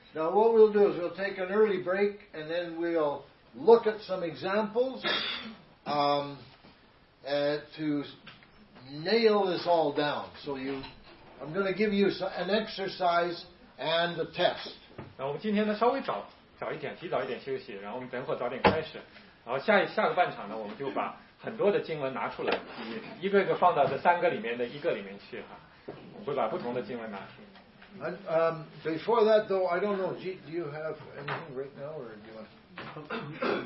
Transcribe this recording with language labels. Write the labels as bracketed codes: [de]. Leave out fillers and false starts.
[en] Now what we'll do is we'll take an early break and then we'll look at some examples to nail this all down. So I'm going to give you an exercise and a test. [zh] 那我们今天呢稍微早一点，提早一点休息，然后我们等会早点开始，然后下个半场呢，我们就把很多的经文拿出来，一个一个放到这三个里面的一个里面去哈，我们会把不同的经文拿出来。 [en] And, before that, though, I don't know. Do you have anything right now, or do you want?